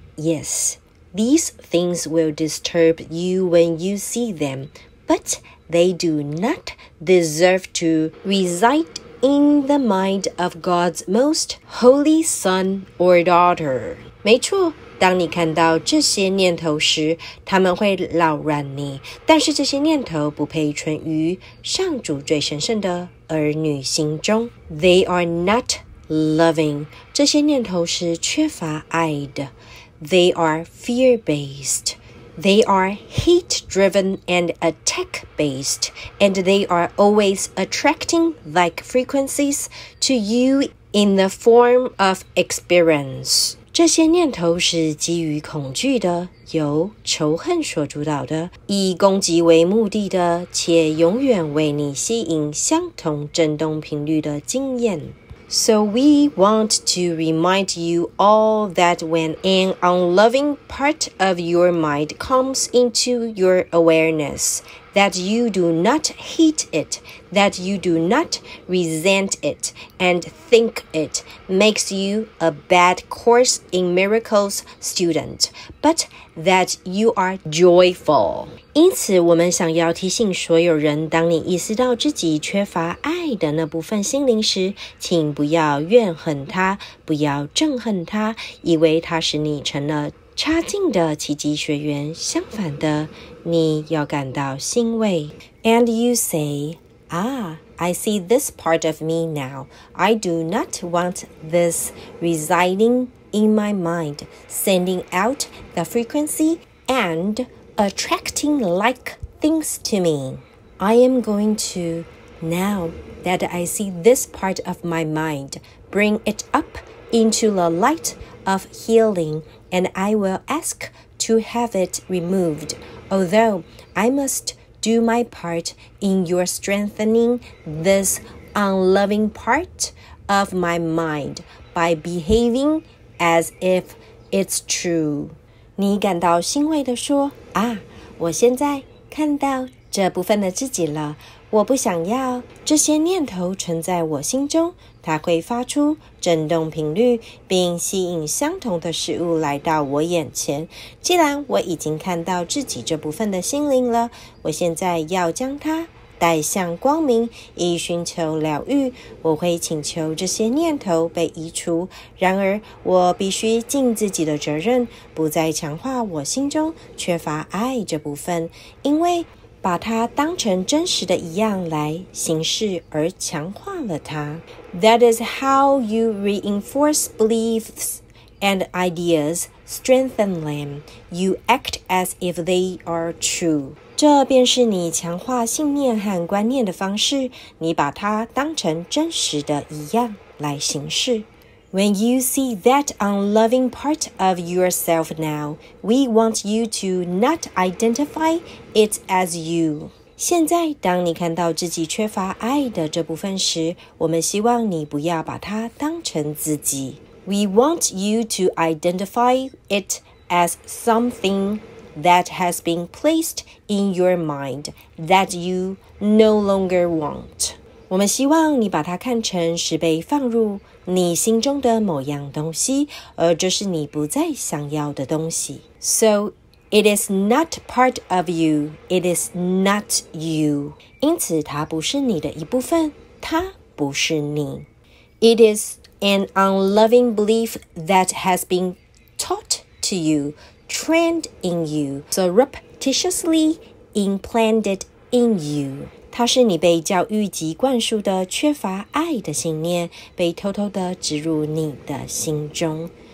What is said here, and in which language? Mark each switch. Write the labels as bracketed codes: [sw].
[en] Yes, these things will disturb you when you see them, but they do not deserve to reside in the mind of God's most holy son or daughter. [zh] 没错，当你看到这些念头时，他们会扰乱你，但是这些念头不配存于上主最神圣的儿女心中。 [en] They are not loving. [zh] 这些念头是缺乏爱的。 [en] They are fear-based. They are hate-driven and attack-based. And they are always attracting like frequencies to you in the form of experience. 这些念头是基于恐惧的，由仇恨所主导的，以攻击为目的的，且永远为你吸引相同振动频率的经验。 So we want to remind you all that when an unloving part of your mind comes into your awareness, that you do not hate it, that you do not resent it, and think it makes you a bad Course in Miracles student, but that you are joyful. [zh] 因此我们想要提醒所有人，当你意识到自己缺乏爱的那部分心灵时，请不要怨恨它，不要憎恨它，以为它使你成了差劲的奇迹学员。相反的，你要感到欣慰。 [en] And you say, Ah, I see this part of me now. I do not want this residing in my mind, sending out the frequency andAttracting like things to me. I am going to, now that I see this part of my mind, bring it up into the light of healing, and I will ask to have it removed. Although I must do my part in your strengthening this unloving part of my mind by behaving as if it's true. [zh] 你感到欣慰地说，啊，我现在看到这部分的自己了，我不想要这些念头存在我心中，它会发出振动频率，并吸引相同的事物来到我眼前。既然我已经看到自己这部分的心灵了，我现在要将它带向光明，以寻求疗愈。我会请求这些念头被移除。然而，我必须尽自己的责任，不再强化我心中缺乏爱这部分，因为把它当成真实的一样来行事，而强化了它。 [en] That is how you reinforce beliefs and ideas, strengthen them. You act as if they are true. [zh] 这便是你强化信念和观念的方式，你把它当成真实的一样来行事。 [en] When you see that unloving part of yourself now, we want you to not identify it as you. [zh] 现在，当你看到自己缺乏爱的这部分时，我们希望你不要把它当成自己。 [en] We want you to identify it as something that has been placed in your mind that you no longer want. [zh] 我们希望你把它看成是被放入你心中的某样东西，而这是你不再想要的东西。 [en] So it is not part of you. It is not you. [zh] 因此它不是你的一部分，它不是你。 [en] It is an unloving belief that has been taught to youTrained in you, surreptitiously implanted in you. [zh] 它是你被教育及灌输的缺乏爱的信念，被偷偷地植入你的心中。